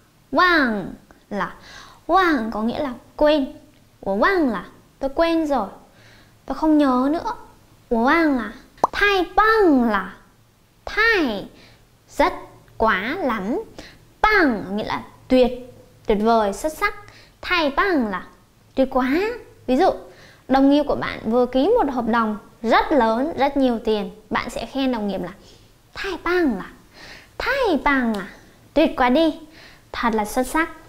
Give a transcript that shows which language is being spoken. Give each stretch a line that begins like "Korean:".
Chinese: 我忘了，我忘了，忘
Vietnamese: có nghĩa là quên.
Chinese: 我忘了,
Vietnamese: tôi quên rồi, tôi không nhớ nữa.
Chinese: 我忘了，太棒了，太
Vietnamese: rất, quá, lắm. 棒 có nghĩa là tuyệt, tuyệt vời, xuất sắc.
Chinese: 太棒了,
Vietnamese: tuyệt quá. Ví dụ, đồng nghiệp của bạn vừa ký một hợp đồng rất lớn, rất nhiều tiền. Bạn sẽ khen đồng nghiệp là
Chinese: 太棒了，太棒了,
Vietnamese: tuyệt quá đi, thật là xuất sắc.